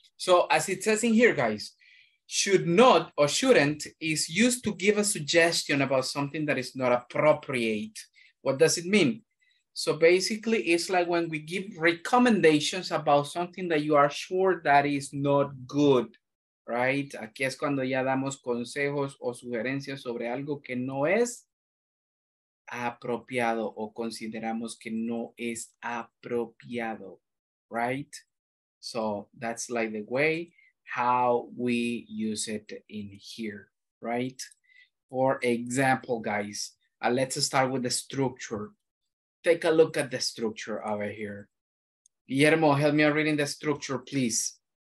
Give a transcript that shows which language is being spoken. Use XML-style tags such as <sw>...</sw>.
<en>So as it says in here, guys, should not or shouldn't is used to give a suggestion about something that is not appropriate. What does it mean? So basically, it's like when we give recommendations about something that you are sure that is not good, right?</en> <es>Aquí es cuando ya damos consejos o sugerencias sobre algo que no es apropiado o consideramos que no es apropiado, right?</es> <en>So that's like the way how we use it in here, right? For example, guys, let's start with the structure. Take a look at the structure over here. Guillermo, help me reading the structure, please.</en>